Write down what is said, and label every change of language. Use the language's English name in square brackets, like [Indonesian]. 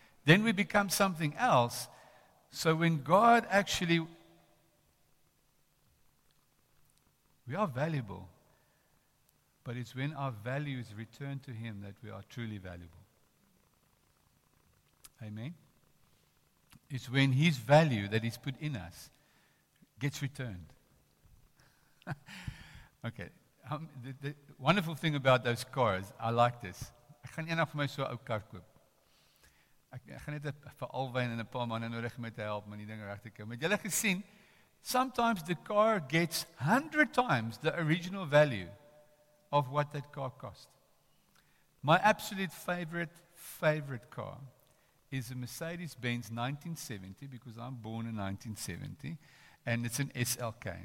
[English] Then we become something else. So when God actually, we are valuable, but it's when our value is returned to him that we are truly valuable. Amen? It's when his value that he's put in us gets returned. Okay. The wonderful thing about those cars, I like this. [Afrikaans] Ek gaan eendag vir my so 'n kar koop. Ek gaan net vir Alwyn en 'n paar manne nodig om my te help om die ding reg te kry. Het julle gesien? [English] Sometimes the car gets 100 times the original value of what that car cost. My absolute favorite car is a Mercedes-Benz 1970, because I'm born in 1970, and it's an SLK.